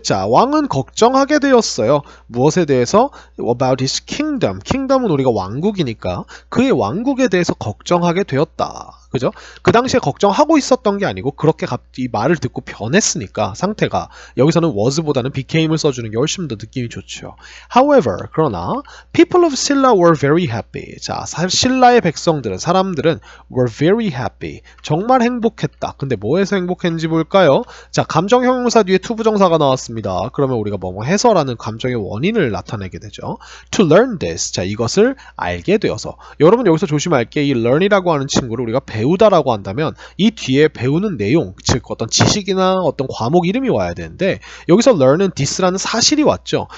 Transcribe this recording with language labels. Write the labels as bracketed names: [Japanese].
[Korean] 자, 왕은 걱정하게 되었어요. 무엇에 대해서? [English] About his kingdom. [Korean] Kingdom은 우리가 왕국이니까 그의 왕국에 대해서 걱정하게 되었다. 그죠? 그 당시에 걱정하고 있었던 게 아니고 그렇게 갑자기 이 말을 듣고 변했으니까 상태가 여기서는 was보다는 became을 써주는 게 훨씬 더 느낌이 좋죠. [English] However, 그러나 people of Silla were very happy. [Korean] 자, 신라의 백성들은 사람들은 [English] were very happy. [Korean] 정말 행복했다. 근데 뭐에서 행복했는지 볼까요? 자, 감정 형용사 뒤에 to 부정사가 나왔습니다. 그러면 우리가 뭐뭐 해서라는 감정의 원인을 나타내게 되죠. [English] To learn this. [Korean] 자, 이것을 알게 되어서. 여러분 여기서 조심할게. 이 learn이라고 하는 친구를 우리가 배우다라고 한다면 이 뒤에 배우는 내용, 즉 어떤 지식이나 어떤 과목 이름이 와야 되는데 여기서 learn은 this라는 사실이 왔죠.